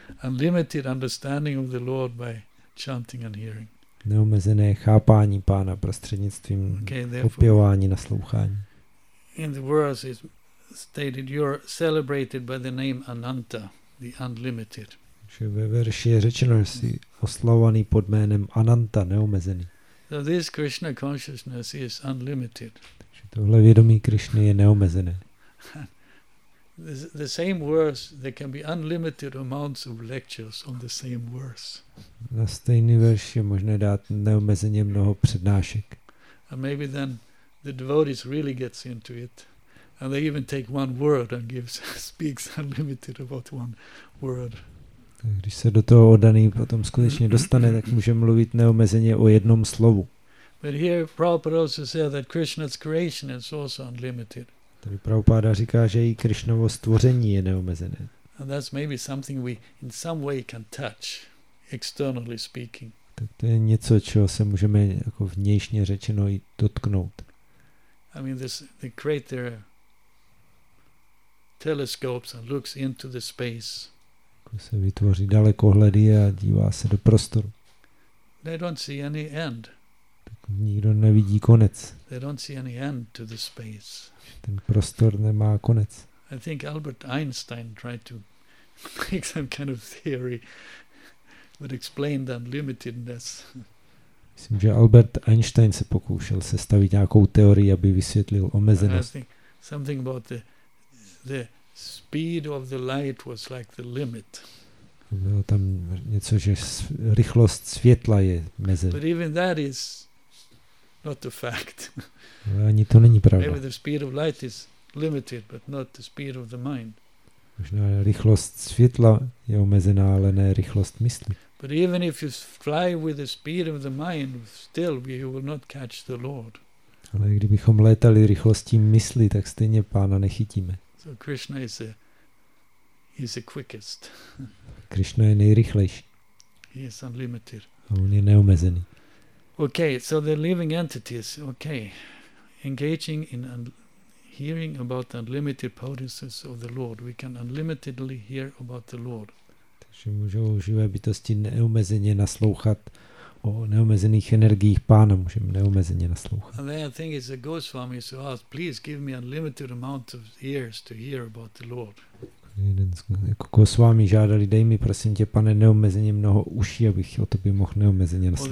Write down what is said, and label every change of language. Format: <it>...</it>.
<en>Unlimited understanding of the Lord by chanting and hearing.</en> <cs>Neomezené chápání Pána prostřednictvím opěvování naslouchání.</cs> <en>In the verse is stated, you're celebrated by the name Ananta, the unlimited.</en> <cs>Že ve verši je řečeno, že jsi oslavovaný pod jménem Ananta, neomezený.</cs> <en>So this Krishna consciousness is unlimited.</en> <cs>Že tohle vědomí Krišny je neomezené.</cs> <en>The same verse, there can be unlimited amounts of lectures on the same verse.</en> <cs>Na stejný verš je možné dát neomezeně mnoho přednášek.</cs> <en>And maybe then the devotees really gets into it. And they even take one word and speaks unlimited about one word.</en> <cs>Když se do toho oddaný potom skutečně dostane, tak může mluvit neomezeně o jednom slovu.</cs> <en>But here Prabhupada also said that Krishna's creation is also unlimited.</en> <cs>Tady Prabhupada říká, že i Krišnovo stvoření je neomezené.</cs> <en>And that's maybe something we in some way can touch, externally speaking.</en> <cs>Tak to je něco, čeho se můžeme jako vnějšně řečeno i dotknout.</cs> <en>I mean, the creator telescopes and looks into the space.</en> <cs>Se vytvoří dalekohledy a dívá se do prostoru.</cs> <en>They don't see any end.</en> <cs>Tak nikdo nevidí konec.</cs> <en>They don't see any end to the space.</en> <cs>Ten prostor nemá konec.</cs> <en>I think Albert Einstein tried to make some kind of theory that explained unlimitedness.</en> <cs>Myslím, že Albert Einstein se pokoušel sestavit nějakou teorii, aby vysvětlil omezenost.</cs> <en>Something about the speed of the light was like the limit.</en> <cs>Bylo tam něco, že rychlost světla je meze.</cs> <en>But even that is not the fact.</en> <cs>Ani to není pravda.</cs> <en>Maybe the speed of light is limited, but not the speed of the mind.</en> <cs>Možná rychlost světla je omezená, ale ne rychlost mysli.</cs> <en>But even if you fly with the speed of the mind, still you will not catch the Lord.</en> <cs>Ale kdybychom létali rychlostí mysli, tak stejně Pána nechytíme.</cs> <en>So Krishna is the quickest.</en> <cs>Krishna je nejrychlejší.</cs> <en>He is unlimited.</en> <cs>A on je neomezený.</cs> <en>Okay, so the living entities, okay, engaging in hearing about the unlimited potencies of the Lord. We can unlimitedly hear about the Lord.</en> <cs>Takže můžou živé bytosti neomezeně naslouchat o neomezených energiích pána můžeme neomezeně naslouchat.</cs> <en>And then I think it's a Goswami who asked, please give me unlimited amount of ears to hear about the Lord.</en> <cs>Jako Goswami žádali, dej mi prosím tě, pane, neomezeně mnoho uší, abych o tobě mohl neomezeně naslouchat.</cs>